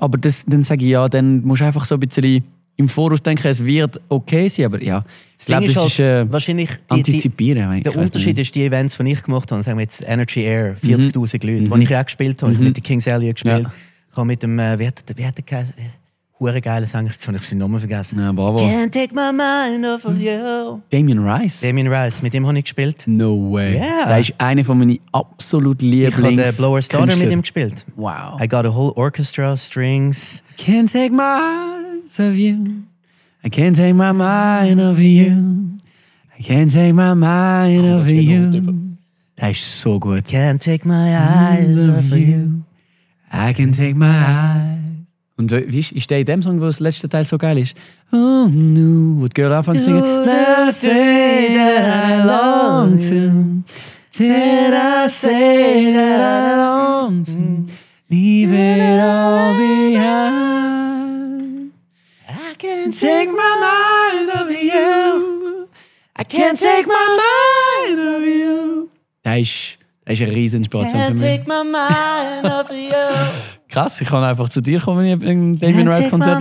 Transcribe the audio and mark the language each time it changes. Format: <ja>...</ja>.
<de>Aber das, dann sage ich, ja, dann musst du einfach so ein bisschen im Voraus denken, es wird okay sein. Aber ja, das Ding glaube, ist halt, wahrscheinlich antizipieren. Der Unterschied ist, die Events, die ich gemacht habe, sagen wir jetzt Energy Air, 40.000 Leute, die ich auch gespielt habe, ich habe mit den Kings Alley gespielt, ich habe mit dem, wie hat der Hure geile Sänger, jetzt habe ich seinen Namen vergessen. Ja, bravo.</de> <en>Can't take my mind off of you.</en> <de>Damien Rice, mit dem habe ich gespielt.</de> <en>No way. Yeah.</en> <de>Der ist einer von meinen absolut Lieblings-Künstler. Ich habe Blower's Daughter mit ihm gespielt. Wow.</de> <en>I got a whole orchestra, strings. Can't take my eyes off you. I can't take my mind off of you. I can't take my mind off of you.</en> <de>Der ist so gut.</de> <en>I can't take my eyes off of you. I can take my eyes.</en> <de>Und weißt, ist der in dem Song, wo das letzte Teil so geil ist?</de> <en>Oh no,</en> <de>wo die Girl anfängt zu singen.</de> <en>Did I say that I long to? Did I say that I long to? Leave it all behind. I can't take my mind off of you. I can't take my mind off of you.</en> <de>Das ist ein Riesensport für mich.</de> <en>Take my mind off of you.</en> <de>Krass, ich kann einfach zu dir kommen, wenn ich im Damien Rice Konzert</de>